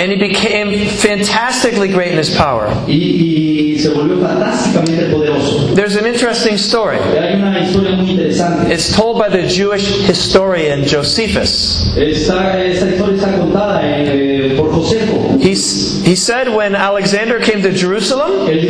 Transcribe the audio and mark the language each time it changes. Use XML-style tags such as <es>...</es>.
<en>And he became fantastically great in his power.</en> <es>Y se volvió fantásticamente poderoso.</es> <en>There's an interesting story.</en> <es>Hay una historia muy interesante.</es> <en>It's told by the Jewish historian Josephus.</en> <es>Esta historia está contada por Josefo.</es> <en>He said when Alexander came to Jerusalem,</en>